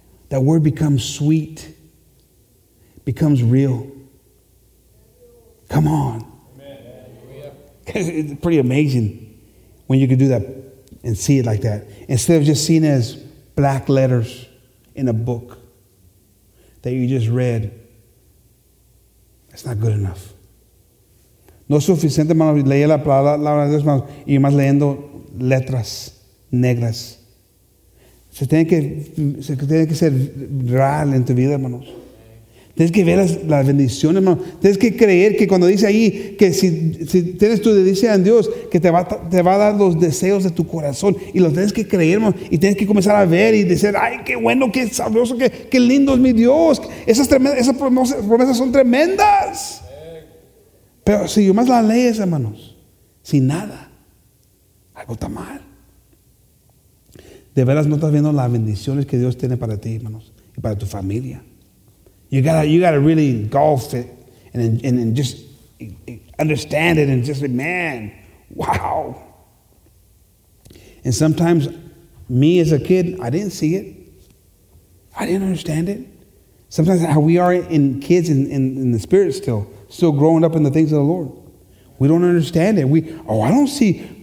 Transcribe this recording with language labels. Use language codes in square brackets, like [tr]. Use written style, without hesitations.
[en] That word becomes sweet, becomes real. Come on. It's pretty amazing when you can do that and see it like that. Instead of just seeing it as black letters in a book that you just read, that's not good enough. [es] No es suficiente, hermano, leer la palabra de Dios, hermano, y más leyendo letras negras. Se tiene que ser real en tu vida, hermanos. Tienes que ver las bendiciones, hermano. Tienes que creer que cuando dice ahí que si tienes tu dedicación en Dios, que te va a dar los deseos de tu corazón. Y los tienes que creer, hermano. Y tienes que comenzar a ver y decir, ay, qué bueno, qué sabroso, qué lindo es mi Dios. Esas promesas son tremendas. Pero si yo más las lees, hermanos, sin nada, algo está mal. De veras no estás viendo las bendiciones que Dios tiene para ti, hermanos, y para tu familia. [en] You gotta really engulf it and just understand it and just say, man, wow. And sometimes me as a kid, I didn't see it. I didn't understand it. Sometimes how we are in kids in the spirit still growing up in the things of the Lord. We don't understand it. I don't see.